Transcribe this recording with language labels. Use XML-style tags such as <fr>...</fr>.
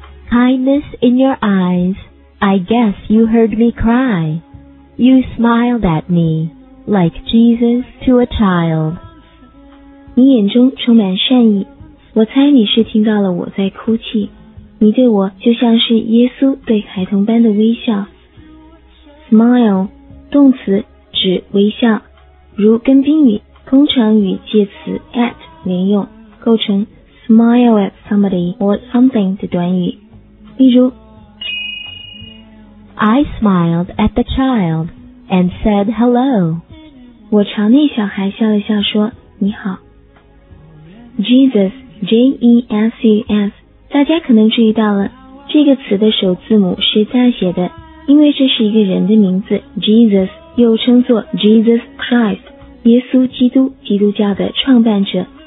<en>Kindness in your eyes, I guess you heard me cry. You smiled at me, like Jesus to a child.</en> <zh>你眼中充满善意，我猜你是听到了我在哭泣。你对我就像是耶稣对孩童般的微笑。 Smile, 动词指微笑，如跟宾语，通常与介词 at 连用，构成</zh> <en>smile at somebody or something</en> <zh>的短语。例如</zh> <en>I smiled at the child and said hello.</en> <zh>我朝那小孩笑了笑说你好。Jesus, J-E-S-U-S, 大家可能注意到了，这个词的首字母是大写的，因为这是一个人的名字 Jesus, 又称作 Jesus Christ, 耶稣基督，基督教的创办者。</zh>